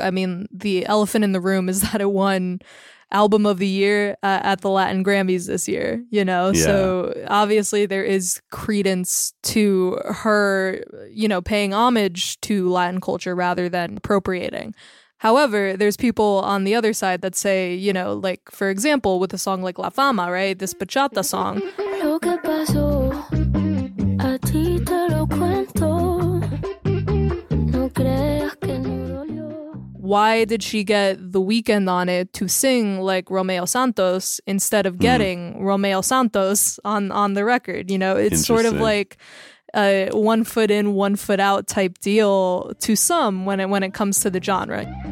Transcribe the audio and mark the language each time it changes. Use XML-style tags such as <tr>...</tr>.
<en>I mean, the elephant in the room is that it won album of the year at the Latin Grammys this year, you know? Yeah. So obviously there is credence to her, you know, paying homage to Latin culture rather than appropriating. However, there's people on the other side that say, you know, like, for example, with a song like La Fama, right? This bachata song.</en> <es>Lo que pasó, a ti te lo cuento. No creas que no dolió.</es> <en>Why did she get The Weeknd on it to sing like Romeo Santos instead of getting Romeo Santos on the record? You know, it's sort of like a one foot in, one foot out type deal to some when it comes to the genre.</en>